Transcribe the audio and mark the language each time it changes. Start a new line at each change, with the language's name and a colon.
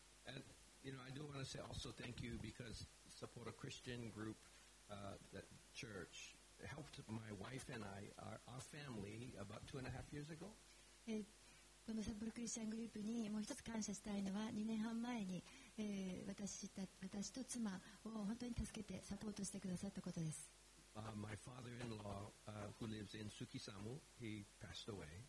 English: And, you know, I do want to say also thank you because support a Christian group, that church helped my wife and I, our family, about 2.5 years ago.
Japanese: このサブルクリスチャングループにもう一つ感謝したいのは2年半前に、私と妻を本当に助けてサポートしてくださったことです。
English: My father-in-law, who lives in Tsukisamu, he passed away.